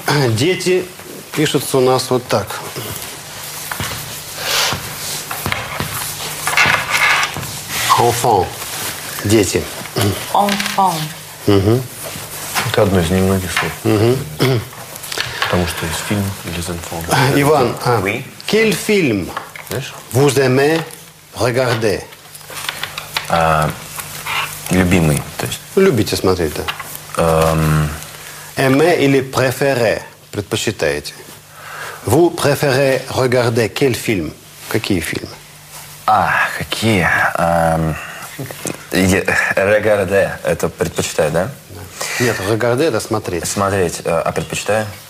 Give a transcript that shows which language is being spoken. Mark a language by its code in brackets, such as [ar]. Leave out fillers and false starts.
[ru] Дети пишутся у нас вот так... [fr] Enfant. [ru] Дети. [fr] Enfant. [ru] Угу. Это одно из немногих слов. Угу. Потому что есть фильм «Les enfants». [fr] Иван, quel film vous aimez regarder? [ru] Любимый, то есть. Любите смотреть, да. Aimez или préférez, предпочитаете. [fr] Vous préférez regarder quel film? [ru] Какие фильмы? А, какие? Regarder, это предпочитаю, да? Нет, regarder, это смотреть. Смотреть, а предпочитаю?